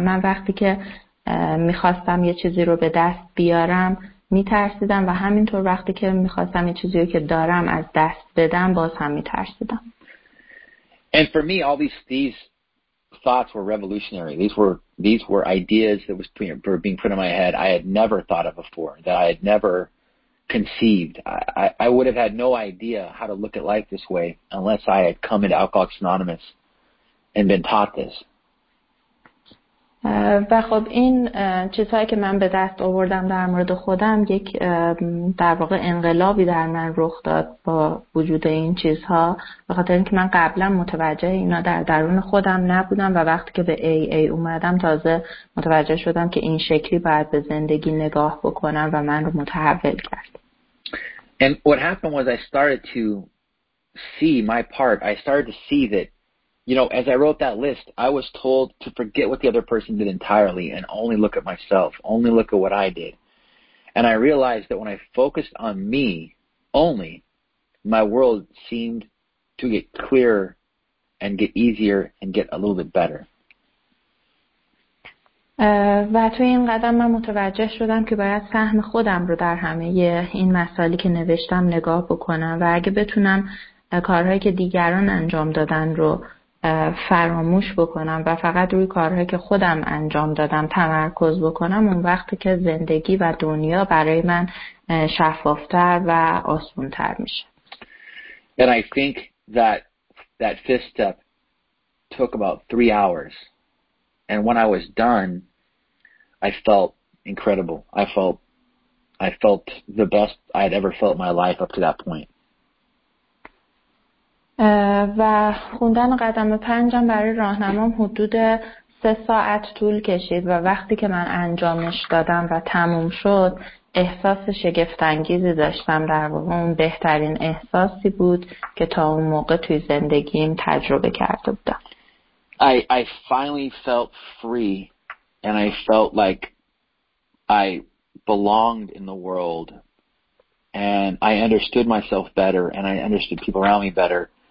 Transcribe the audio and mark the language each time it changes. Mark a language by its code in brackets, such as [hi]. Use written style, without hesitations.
[fa] من وقتی که میخواستم یه چیزی رو به دست بیارم میترسیدم و همینطور وقتی که میخواستم یه چیزی رو که دارم از دست بدم باز هم میترسیدم. [en] And for me, all these thoughts were revolutionary. These were ideas that were being put in my head I had never thought of before, that I had never conceived. I would have had no idea how to look at life this way unless I had come into Alcoholics Anonymous and been taught this. [fa] و خب این چیزهایی که من به دست آوردم در مورد خودم یک در واقع انقلابی در من رخ داد با وجود این چیزها به خاطر اینکه من قبلا متوجه اینا در درون خودم نبودم و وقتی که به AA اومدم تازه متوجه شدم که این شکلی باید به زندگی نگاه بکنم و من رو متحول کرد. [en] And what happened was I started to see my part. I started to see that, you know, as I wrote that list, I was told to forget what the other person did entirely and only look at myself, only look at what I did. And I realized that when I focused on me only, my world seemed to get clearer and get easier and get a little bit better. [fa] و توی این قدم من متوجه شدم که باید سهم خودم رو در همه این مسائلی که نوشتم نگاه بکنم و اگه بتونم کارهایی که دیگران انجام دادن رو فراموش بکنم و فقط روی کارهایی که خودم انجام دادم تمرکز بکنم اون وقت که زندگی و دنیا برای من شفافتر و آسان‌تر میشه. [en] And I think that fifth step took about 3 hours. And when I was done, I felt incredible. I felt the best I had ever felt in my life up to that point. [fa] و خوندن قدم پنجم برای راهنمام حدود 3 ساعت طول کشید و وقتی که من انجامش دادم و تموم شد احساس شگفت‌انگیزی داشتم در واقع اون بهترین احساسی بود که تا اون موقع توی زندگیم تجربه کرده بودم. [en] I finally felt free and I felt like I belonged in the world and I understood myself better and I understood people around me better.